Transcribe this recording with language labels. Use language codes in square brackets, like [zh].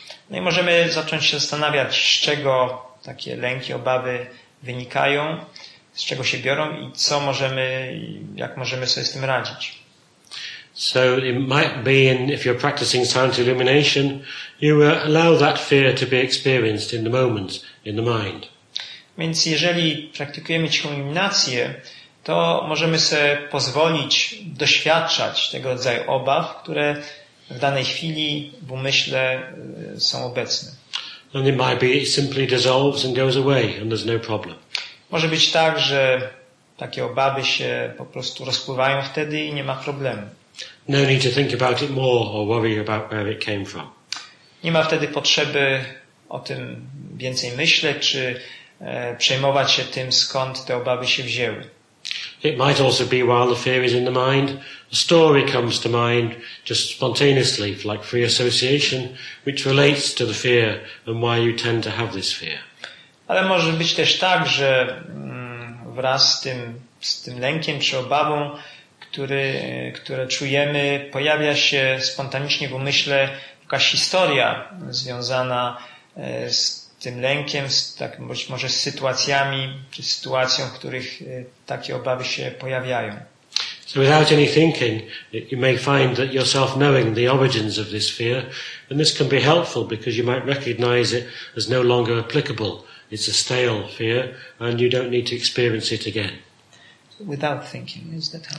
[pl] No i możemy zacząć się zastanawiać, z czego takie lęki, obawy wynikają, z czego się biorą i co możemy, jak możemy sobie z tym radzić. [en] So it might be, in, if you're practicing silent illumination, you allow that fear to be experienced in the moment, in the mind. [pl] Więc jeżeli praktykujemy cichą iluminację, to możemy sobie pozwolić doświadczać tego rodzaju obaw, które w danej chwili w umyśle są obecne. [en] And it might be it simply dissolves and goes away and there's no problem. [pl] Może być tak, że takie obawy się po prostu rozpływają wtedy i nie ma problemu. [en] No need to think about it more or worry about where it came from. [pl] Nie ma wtedy potrzeby o tym więcej myśleć czy przejmować się tym, skąd te obawy się wzięły. [en] It might also be while the fear is in the mind, a story comes to mind just spontaneously, like free association, which relates to the fear and why you tend to have this fear. [pl] Ale może być też tak, że wraz z tym lękiem czy obawą, które czujemy, pojawia się spontanicznie w umyśle jakaś historia związana z tym lękiem, tak być może z sytuacjami, czy sytuacją, w których takie obawy się pojawiają. [en] So without any thinking, you may find that yourself knowing the origins of this fear, and this can be helpful because you might recognize it as no longer applicable. It's a stale fear, and you don't need to experience it again. Without thinking, is that how